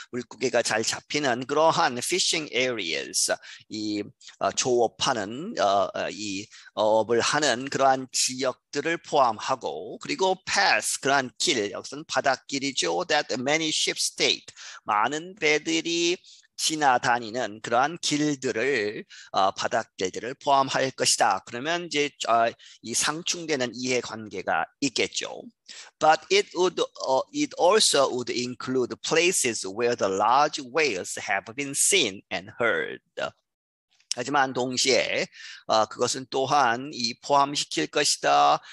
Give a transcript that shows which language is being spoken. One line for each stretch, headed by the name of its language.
Korean: 물고기가 잘 잡히는 그러한
English: fishing areas
Korean: 조업하는 이 어업을 하는 그러한 지역들을 포함하고 그리고 pass 그러한 길 역시 바닷길이죠.
English: That many ships take
Korean: 많은 배들이 지나다니는 그러한 길들을 바닷길들을 포함할 것이다. 그러면 이제 이 상충되는 이해관계가 있겠죠.
English: But it also would include places where the large whales have been seen and heard.
Korean: 하지만 동시에 그것은 또한 이 포함시킬 것이다.